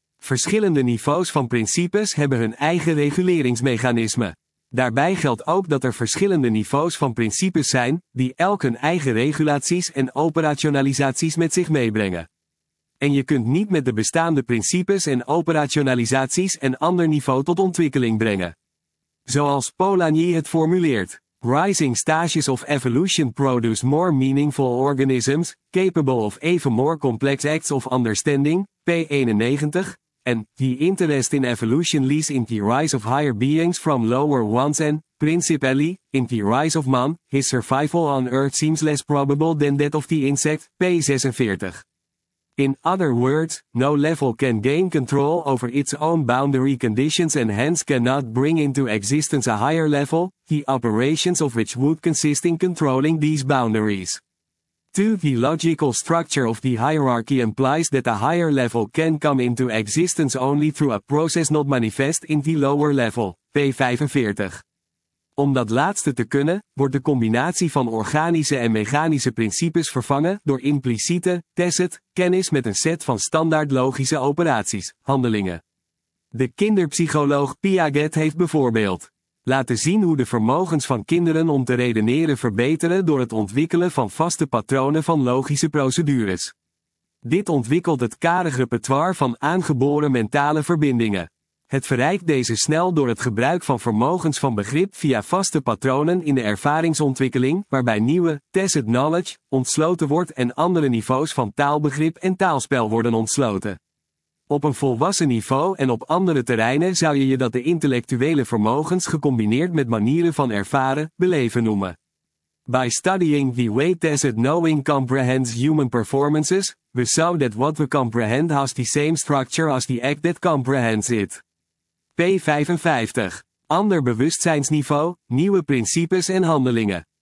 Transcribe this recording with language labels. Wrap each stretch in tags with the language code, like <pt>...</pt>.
<nl>Verschillende niveaus van principes hebben hun eigen reguleringsmechanismen. Daarbij geldt ook dat er verschillende niveaus van principes zijn die elk hun eigen regulaties en operationalisaties met zich meebrengen. En je kunt niet met de bestaande principes en operationalisaties een ander niveau tot ontwikkeling brengen. Zoals Polanyi het formuleert,</nl> <en>rising stages of evolution produce more meaningful organisms, capable of even more complex acts of understanding, p. 91, and the interest in evolution leads in the rise of higher beings from lower ones and, principally, in the rise of man, his survival on earth seems less probable than that of the insect, p. 46. In other words, no level can gain control over its own boundary conditions and hence cannot bring into existence a higher level, the operations of which would consist in controlling these boundaries. 2. The logical structure of the hierarchy implies that a higher level can come into existence only through a process not manifest in the lower level, p. 45.</en> <nl>Om dat laatste te kunnen, wordt de combinatie van organische en mechanische principes vervangen door impliciete, tacit, kennis met een set van standaard logische operaties, handelingen. De kinderpsycholoog Piaget heeft bijvoorbeeld laten zien hoe de vermogens van kinderen om te redeneren verbeteren door het ontwikkelen van vaste patronen van logische procedures. Dit ontwikkelt het karig repertoire van aangeboren mentale verbindingen. Het verrijkt deze snel door het gebruik van vermogens van begrip via vaste patronen in de ervaringsontwikkeling, waarbij nieuwe,</nl> <en>tacit knowledge,</en> <nl>ontsloten wordt en andere niveaus van taalbegrip en taalspel worden ontsloten. Op een volwassen niveau en op andere terreinen zou je dat de intellectuele vermogens gecombineerd met manieren van ervaren, beleven noemen.</nl> <en>By studying the way tacit knowing comprehends human performances, we saw that what we comprehend has the same structure as the act that comprehends it. p. 55.</en> <nl>Ander bewustzijnsniveau, nieuwe principes en handelingen.</nl>